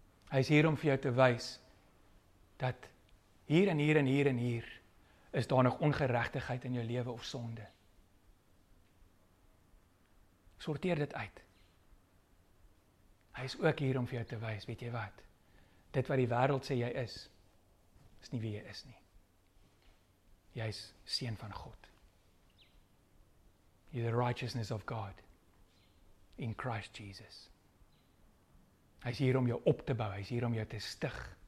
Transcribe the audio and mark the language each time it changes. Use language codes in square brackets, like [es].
[af] Hy is hier om vir jou te wys dat hier en hier en hier en hier is daar nog ongeregtigheid in jou lewe of sonde. Sorteer dit uit. Hy is ook hier om vir jou te wys, weet jy wat? Dit wat die wêreld sê jy is, is nie wie jy is nie. Jy is seun van God. [en] You are the righteousness of God in Christ Jesus. [af] Hy is hier om jou op te bou, hy is hier om jou te stig.